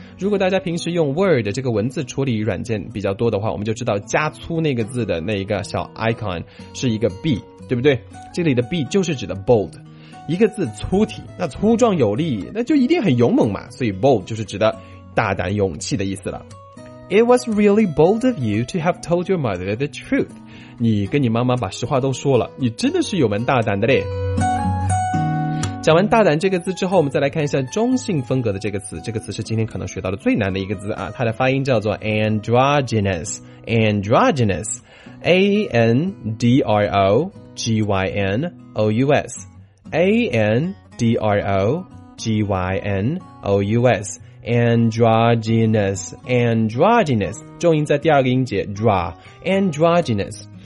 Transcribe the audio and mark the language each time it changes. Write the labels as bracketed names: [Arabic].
[Chinese] 如果大家平时用 Word 这个文字处理软件比较多的话，我们就知道加粗那个字的那一个小 icon 是一个 B, 对不对？这里的 B 就是指的 bold。一个字粗体，那粗壮有力，那就一定很勇猛嘛，所以 bold 就是指的大胆勇气的意思了。 [English] It was really bold of you to have told your mother the truth. [Chinese] 你跟你妈妈把实话都说了，你真的是有蛮大胆的嘞。讲完大胆这个字之后，我们再来看一下中性风格的这个词。这个词是今天可能学到的最难的一个字啊，它的发音叫做 androgynous, androgynous, A-N-D-R-O-G-Y-N-O-U-S, A-N-D-R-O-G-Y-N-O-U-S, androgynous, androgynous, 重音在第二个音节 dra, androgynous.